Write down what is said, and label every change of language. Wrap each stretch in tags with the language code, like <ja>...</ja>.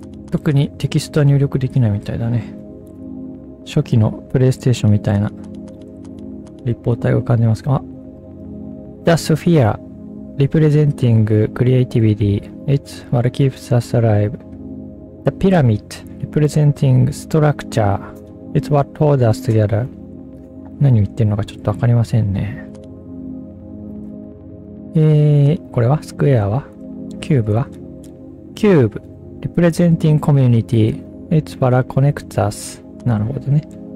<ja>特にテキストは入力できないみたいだね。初期のプレイステーションみたいな立方体を感じますか。</ja> <en>The Sphere representing creativity. It's what keeps us alive. The Pyramid representing structure. It's what hold us together.</en> <ja>何を言ってるのかちょっとわかりませんね。これはスクエアはキューブはキューブ。</ja> <en>Representing community. It's what connects us.</en> <ja>なるほどね。</ja>